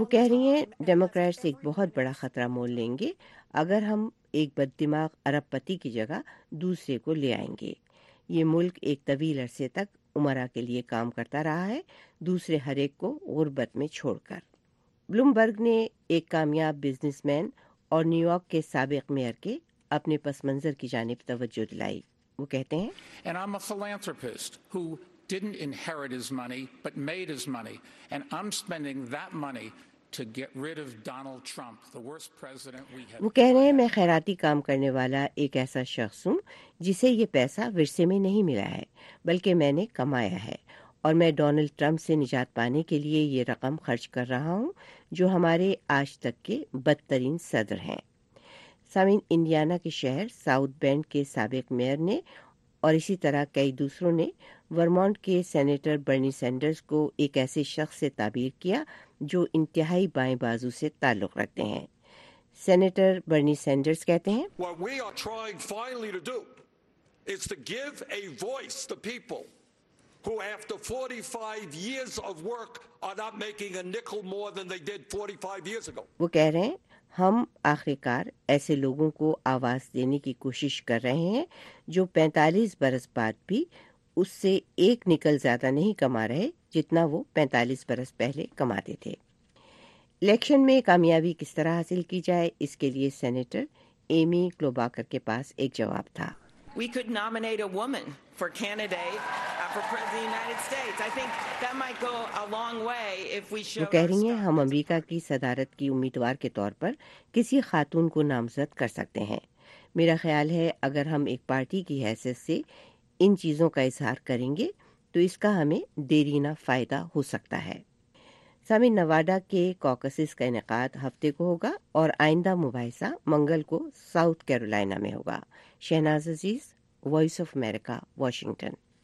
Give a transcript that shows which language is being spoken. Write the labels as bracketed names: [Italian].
[Urdu] وہ کہہ رہی ہیں ڈیموکریٹس ایک بہت بڑا خطرہ مول لیں گے اگر ہم ایک بد دماغ ارب پتی کی جگہ دوسرے کو لے آئیں گے. یہ ملک ایک طویل عرصے تک عمرا کے لیے کام کرتا رہا ہے, دوسرے ہر ایک کو غربت میں چھوڑ کر. بلومبرگ نے ایک کامیاب بزنس مین اور نیو یارک کے سابق میئر کے اپنے پس منظر کی جانب توجہ دلائی. وہ کہتے ہیں [English] And I'm a philanthropist who didn't inherit his money but made his money and I'm spending that money to get rid of Donald Trump the worst president we have [Urdu] وہ کہہ رہے ہیں میں خیراتی کام کرنے والا ایک ایسا شخص ہوں جسے یہ پیسہ ورثے میں نہیں ملا ہے بلکہ میں نے کمایا ہے اور میں ڈونلڈ ٹرمپ سے نجات پانے کے لیے یہ رقم خرچ کر رہا ہوں جو ہمارے آج تک کے بدترین صدر ہیں۔ سامعین، انڈیانا کے شہر ساؤتھ بینڈ کے سابق میئر نے اور اسی طرح کئی دوسروں نے ورمونٹ کے سینیٹر برنی سینڈرز کو ایک ایسے شخص سے تعبیر کیا جو انتہائی بائیں بازو سے تعلق رکھتے ہیں۔ سینیٹر برنی سینڈرز کہتے ہیں [English] What we are trying finally to do is to give a voice to people who after 45 years of work are not making a nickel more than they did 45 years ago. [Urdu] وہ کہہ رہے ہیں ہم آخر کار ایسے لوگوں کو آواز دینے کی کوشش کر رہے ہیں جو 45 برس بعد بھی اس سے ایک نکل زیادہ نہیں کما رہے جتنا وہ 45 برس پہلے کماتے تھے۔ الیکشن میں کامیابی کس طرح حاصل کی جائے، اس کے لیے سینیٹر ایمی کلوباکر کے پاس ایک جواب تھا۔ [English] We could nominate a woman for candidate for president of the United States. I think that might go a long way if we show [Urdu] وہ کہہ رہی ہیں ہم امریکہ کی صدارت کی امیدوار کے طور پر کسی خاتون کو نامزد کر سکتے ہیں۔ میرا خیال ہے اگر ہم ایک پارٹی کی حیثیت سے ان چیزوں کا اظہار کریں گے تو اس کا ہمیں دیرینہ فائدہ ہو سکتا ہے۔ سامعین، نواڈا کے کاکسز کا انعقاد ہفتے کو ہوگا اور آئندہ مباحثہ منگل کو ساؤتھ کیرولائنا میں ہوگا۔ شہناز عزیز، وائس آف امریکہ، واشنگٹن۔